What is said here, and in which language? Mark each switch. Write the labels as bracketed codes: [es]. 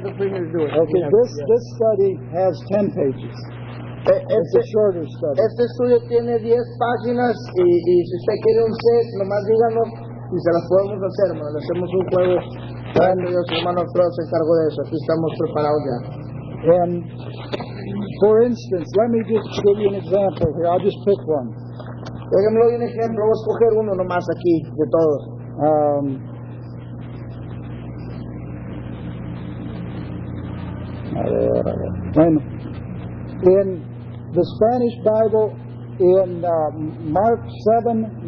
[en] the preachers do it. Okay, this study has 10 pages. Este, it's a shorter study. [es] Este estudio tiene 10 páginas y si usted quiere un set, nomás díganlo y se las podemos hacer, hermano. Le hacemos un juego. Bueno, Dios, hermano Frost se encargó de eso. Aquí estamos preparados ya. [en] And, for instance, let me just give you an example here. I'll just pick one. [es] Déjenme un ejemplo. Voy a escoger uno nomás aquí de todos. [en] Bueno. In the Spanish Bible, in Mark 7:19.